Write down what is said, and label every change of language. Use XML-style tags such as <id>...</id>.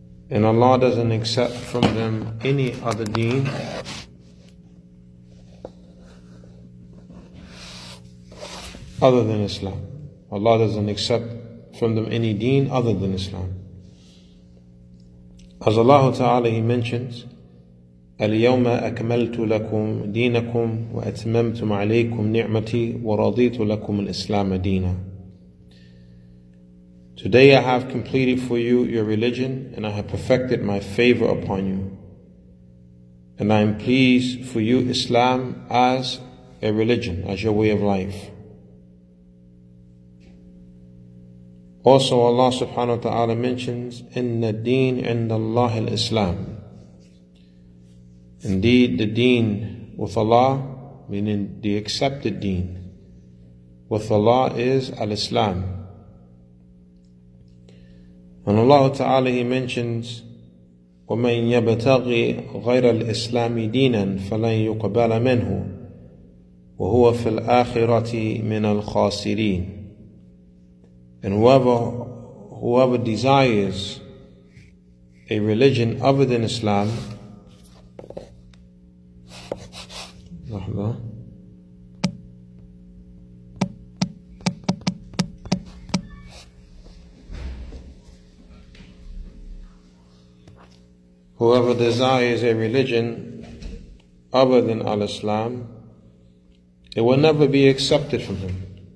<en>And Allah doesn't accept from them any other deen. Other than Islam. Allah doesn't accept from them any deen other than Islam. As Allah Ta'ala, he mentions,</en> <ar>الْيَوْمَ أَكْمَلْتُ لَكُمْ دِينَكُمْ وَأَتْمَمْتُمْ عَلَيْكُمْ نِعْمَتِي وَرَضِيتُ لَكُمْ الْإِسْلَامَ دِينًا.</ar> <en>Today I have completed for you your religion, and I have perfected my favor upon you. And I am pleased for you Islam as a religion, as your way of life. Also Allah subhanahu wa ta'ala mentions,</en> <ar>إِنَّ الدِّينَ عِنْدَ اللَّهِ الْإِسْلَامِ.</ar> <en>Indeed, the deen with Allah, meaning the accepted deen, with Allah is al-Islam. And Allah Ta'ala, he mentions,</en> <ar>وَمَنْ يَبْتَغِي غَيْرَ الْإِسْلَامِ دِينًا فَلَنْ يُقْبَلَ مِنْهُ وَهُوَ فِي الْآخِرَةِ مِنَ الْخَاسِرِينَ.</ar> <en>And whoever desires a religion other than Islam, whoever desires a religion other than al-Islam, it will never be accepted from him.</en>